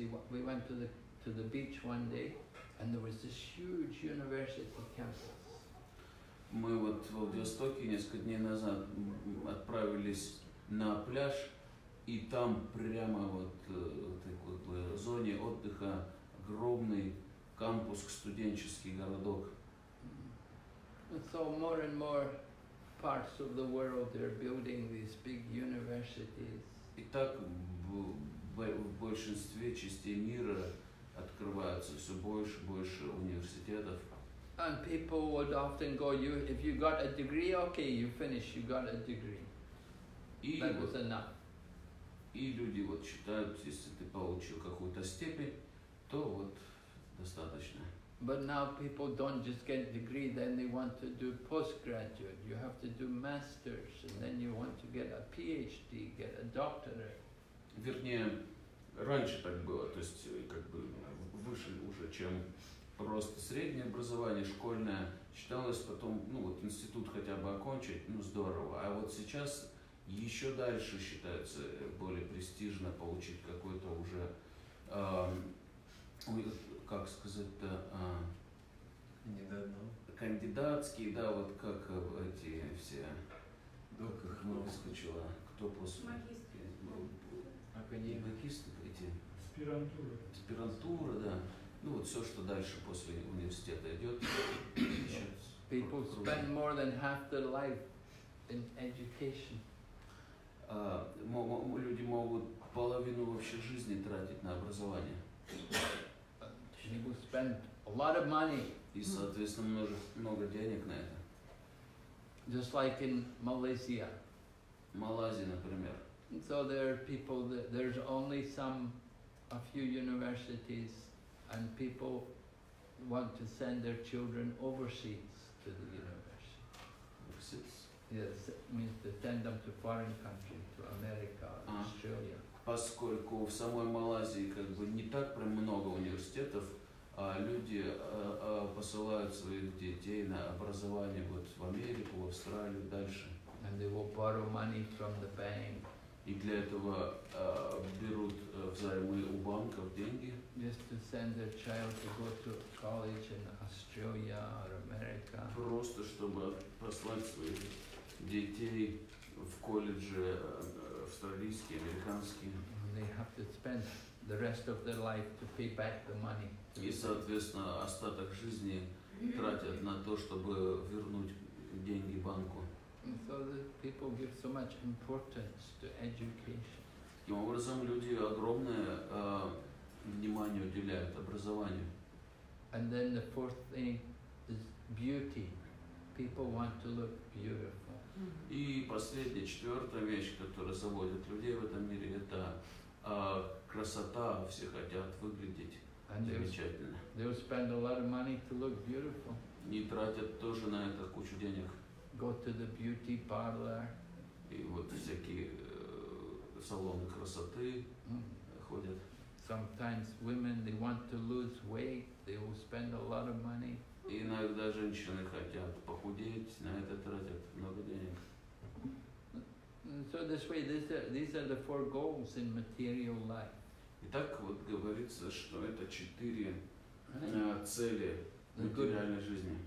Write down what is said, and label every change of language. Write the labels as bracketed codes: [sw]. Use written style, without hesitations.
[en] We went to the beach one day, and there was this huge university campus. [ru] Мы вот в Владивостоке несколько дней назад отправились на пляж, и там прямо вот в такой зоне отдыха огромный кампус, студенческий городок. [en] And so more and more parts of the world, they're building these big universities. [ru] Итак, в большинстве частей мира открываются все больше и больше университетов. [en] And people would often go, if you got a degree, okay, you finish, you got a degree. That was enough. [ru] И люди вот считают, если ты получил какую-то степень, то вот достаточно. [en] But now people don't just get a degree, then they want to do postgraduate. You have to do master's, and then you want to get a PhD, get a doctorate. [ru] Вернее, раньше так было, то есть как бы выше уже, чем просто среднее образование, школьное. Считалось потом, ну вот институт хотя бы окончить, ну здорово. А вот сейчас еще дальше считается более престижно получить какой-то уже... как сказать-то, кандидатские, да, вот как эти все, как выскочила, кто после? Магистры. Магистры эти? Аспирантура. Аспирантура, да. Ну вот все, что дальше после университета идет. [en] People spend more than half their life in education. [ru] Люди могут половину вообще жизни тратить на образование. [en] People spend a lot of money. [ru] И, соответственно, много денег на это. [en] Just like in Malaysia. [ru] Малайзия, например. [en] And so there are people that there's only a few universities, and people want to send their children overseas to the university. Overseas. Yes, it means to send them to foreign country, to America, Australia. [ru] Поскольку в самой Малайзии как бы не так прям много университетов. А люди посылают своих детей на образование вот в Америку, в Австралию, дальше. [en] And they will borrow money from the bank. [ru] И для этого берут взаймы у банков деньги. [en] Just to send their child to go to college in Australia or America. [ru] Просто чтобы послать своих детей в колледжи австралийские, американские. [en] And they have to spend the rest of their life to pay back the money. [ru] И, соответственно, остаток жизни тратят на то, чтобы вернуть деньги банку. [en] So people give so much importance to education. [ru] Таким образом, люди огромное внимание уделяют образованию. [en] And then the fourth thing is beauty. People want to look beautiful. [ru] И последняя, четвертая вещь, которая заводит людей в этом мире, это красота. Все хотят выглядеть [en] and [ru] замечательно. [en] They will spend a lot of money to look beautiful. [ru] Не тратят тоже на это кучу денег. [en] Go to the beauty parlor. [ru] И вот всякие салоны красоты ходят. [en] Sometimes women they want to lose weight, they will spend a lot of money. [ru] И иногда женщины хотят похудеть, на это тратят много денег. [en] So this way, these are the four goals in material life. [ru] Итак, вот говорится, что это четыре цели материальной жизни.